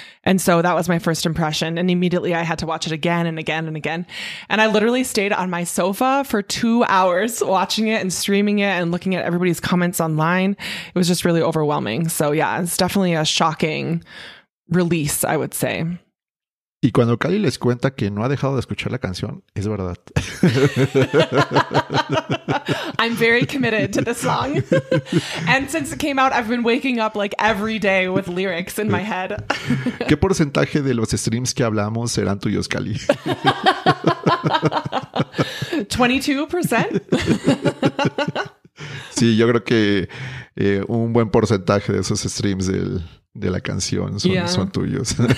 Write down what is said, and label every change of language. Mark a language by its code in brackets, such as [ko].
[en] And so that was my first impression. And immediately I had to watch it again and again and again. And I literally stayed on my sofa for 2 hours watching it and streaming it and looking at everybody's comments online. It was just really overwhelming. So yeah, it's definitely a shocking release, I would say. [es] Y cuando Cali les cuenta que no ha dejado de escuchar la canción, es verdad. [en] I'm very committed to the song. And since it came out, I've been waking up like every day with lyrics in my head. [es] ¿Qué porcentaje de los streams que hablamos serán tuyos, Cali? 22%. Sí, yo creo que un buen porcentaje de esos streams de la canción son tuyos.